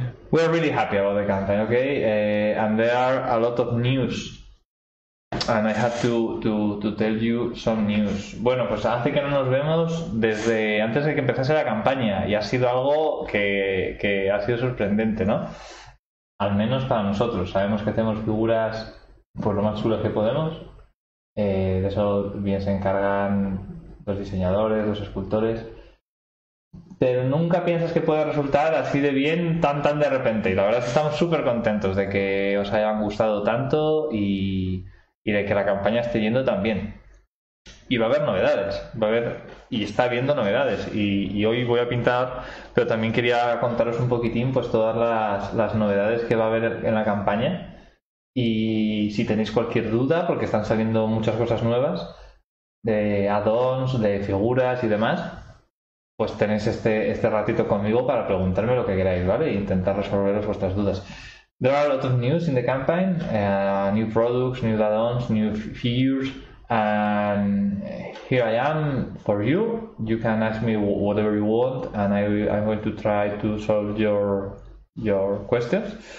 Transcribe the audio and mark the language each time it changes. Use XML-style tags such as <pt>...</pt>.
<en>We are really happy about the campaign, okay? And there are a lot of news. And I have to tell you some news.</en> <es>Bueno, pues hace que no nos vemos desde antes de que empezase la campaña y ha sido algo que ha sido sorprendente, ¿no? Al menos para nosotros. Sabemos que hacemos figuras pues lo más chulas que podemos. De eso bien se encargan los diseñadores, los escultores. Pero nunca piensas que pueda resultar así de bien tan de repente. Y la verdad es que estamos súper contentos de que os hayan gustado tanto y de que la campaña esté yendo tan bien. Y va a haber novedades, va a haber y está habiendo novedades. Y hoy voy a pintar, pero también quería contaros un poquitín pues todas las novedades que va a haber en la campaña. Y si tenéis cualquier duda, porque están saliendo muchas cosas nuevas, de add-ons, de figuras y demás, pues tenéis este ratito conmigo para preguntarme lo que queráis, ¿vale? E intentar resolveros vuestras dudas.</es> <en>There are a lot of news in the campaign, new products, new add-ons, new figures, and here I am for you. You can ask me whatever you want, and I'm going to try to solve your questions.</en>